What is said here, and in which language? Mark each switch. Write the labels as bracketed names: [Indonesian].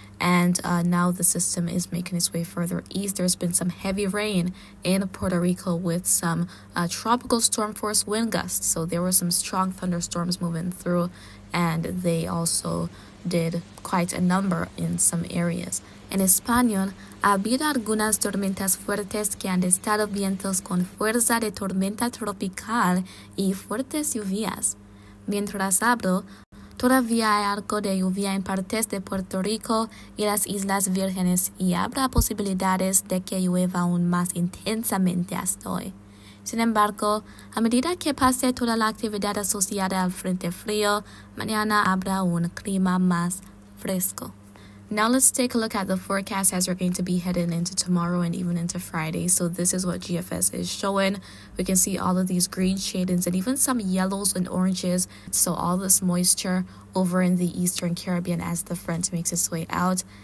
[English] And now the system is making its way further east. There's been some heavy rain in Puerto Rico with some tropical storm force wind gusts. So there were some strong thunderstorms moving through, and they also did quite a number in some areas. [Spanish] En español, ha habido algunas tormentas fuertes que han estado vientos con fuerza de tormenta tropical y fuertes lluvias. Mientras hablo, todavía hay algo de lluvia en partes de Puerto Rico y las Islas Vírgenes y habrá posibilidades de que llueva aún más intensamente hasta hoy. Sin embargo, a medida que pase toda la actividad asociada al frente frío, mañana habrá un clima más fresco. [English] Now let's take a look at the forecast as we're going to be heading into tomorrow and even into Friday. So this is what GFS is showing. We can see all of these green shadings and even some yellows and oranges. So all this moisture over in the eastern Caribbean as the front makes its way out.